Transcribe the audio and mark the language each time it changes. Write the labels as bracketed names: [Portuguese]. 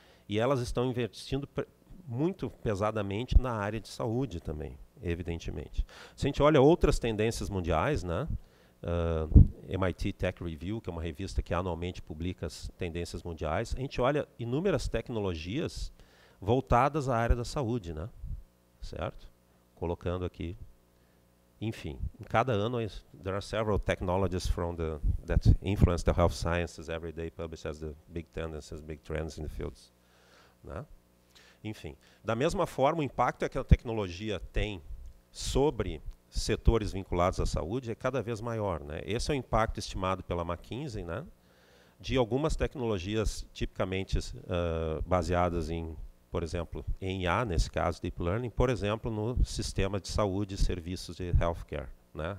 [Portuguese] E elas estão investindo muito pesadamente na área de saúde também, evidentemente. Se a gente olha outras tendências mundiais, né? MIT Tech Review, que é uma revista que anualmente publica as tendências mundiais, a gente olha inúmeras tecnologias voltadas à área da saúde, né? Certo? Colocando aqui, enfim, em cada ano, [English] there are several technologies from the, that influence the health sciences every day, published as the big tendencies, big trends in the fields. [Portuguese] Né? Enfim, da mesma forma, o impacto que a tecnologia tem sobre setores vinculados à saúde é cada vez maior. Né? Esse é o impacto estimado pela McKinsey, né? De algumas tecnologias tipicamente baseadas em, por exemplo, em IA, nesse caso, Deep Learning, por exemplo, no sistema de saúde e serviços de healthcare, né?